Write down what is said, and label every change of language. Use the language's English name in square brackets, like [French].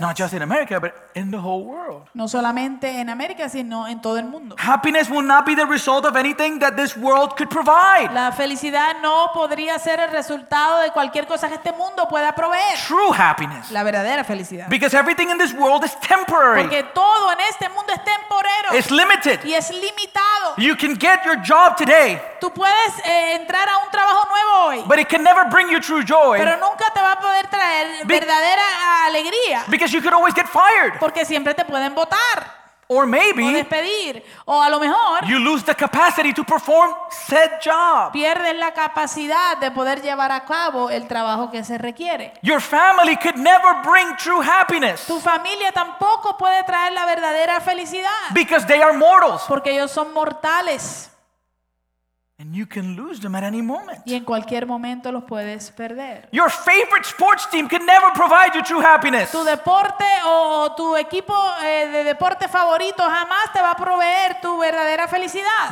[English] Not just in America, but in the whole world. [Spanish] No solamente en América, sino en todo el mundo. [English] Happiness will not be the result of anything that this world could provide. [Spanish] La felicidad no podría ser el resultado de cualquier cosa que este mundo pueda proveer. [English] True happiness. [Spanish] La verdadera felicidad. [English] Because everything in this world is temporary. [Spanish] Porque todo en este mundo es temporero. [English] It's limited. [Spanish] Y es limitado. [English] You can get your job today. [Spanish] Tú puedes entrar a un trabajo nuevo hoy. [English] But it can never bring you true joy. [Spanish] Pero nunca te va a poder traer verdadera alegría. [English] Because you could always get fired. [Spanish] Porque siempre te pueden botar. [English] Or maybe. [Spanish] O despedir. O a lo mejor. [English] You lose the capacity to perform said job. [Spanish] Pierdes la capacidad de poder llevar a cabo el trabajo que se requiere. [English] Your family could never bring true happiness. [Spanish] Tu familia tampoco puede traer la verdadera felicidad. [English] Because they are mortals. [Spanish] Porque ellos son mortales. [English] And you can lose them at any moment. [Spanish] Y en cualquier momento los puedes perder. [English] Your favorite sports team can never provide you true happiness. [Spanish] Tu deporte o tu equipo de deporte favorito jamás te va a proveer tu verdadera felicidad.